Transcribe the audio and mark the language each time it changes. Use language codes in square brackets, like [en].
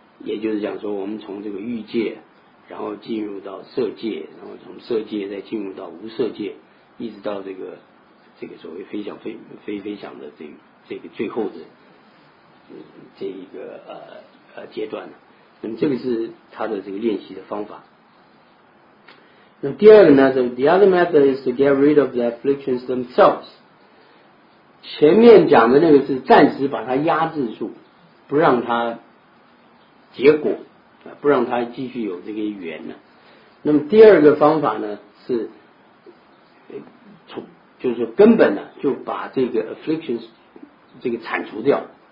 [zh] 也就是讲说，我们从这个欲界，然后进入到色界，然后从色界再进入到无色界，一直到这个所谓飞翔飞翔的这个最后的、这一个阶段。那么这个是他的这个练习的方法。那第二个呢，就 [en] the other method is to get rid of the afflictions themselves。 [zh] 前面讲的那个是暂时把它压制住，不让它。结果不让他继续有这个缘了。那么第二个方法呢，是从就是根本呢，就把这个 afflictions 这个铲除掉。